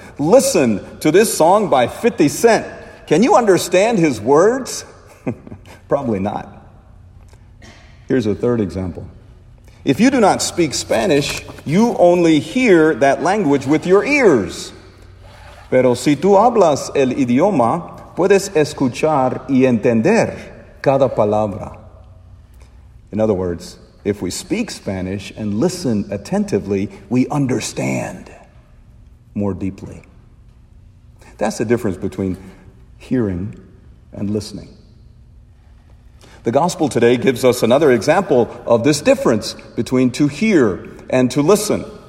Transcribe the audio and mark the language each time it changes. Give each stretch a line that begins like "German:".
English: Listen to this song by 50 Cent. Can you understand his words? Probably not. Here's a third example. If you do not speak Spanish, you only hear that language with your ears.
Spanish: Pero si tú hablas el idioma, puedes escuchar y entender cada palabra.
English: In other words, if we speak Spanish and listen attentively, we understand more deeply. That's the difference between hearing and listening. The gospel today gives us another example of this difference between to hear and to listen.